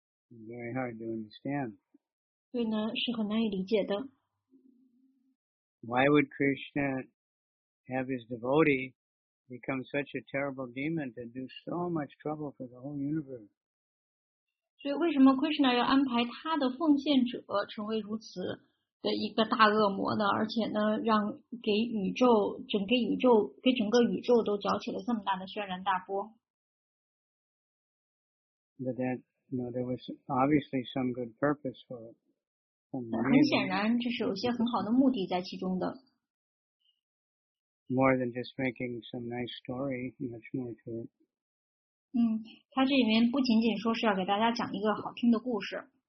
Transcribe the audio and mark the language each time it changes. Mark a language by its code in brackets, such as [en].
[en] Very hard to understand. [zh] 对呢，是很难以理解的。 [en] Why would Krishna have his devotee become such a terrible demon to do so much trouble for the whole universe? [zh] 所以为什么 Krishna 要安排他的奉献者成为如此的一个大恶魔呢，而且呢让给宇宙整个宇宙给整个宇宙都搅起了这么大的轩然大波。 [en] But that, you know, there was obviously some good purpose for it. [zh] 很显然这是有些很好的目的在其中的。 [en] More than just making some nice story, much more to it. [zh] 它这里面不仅仅说是要给大家讲一个好听的故事。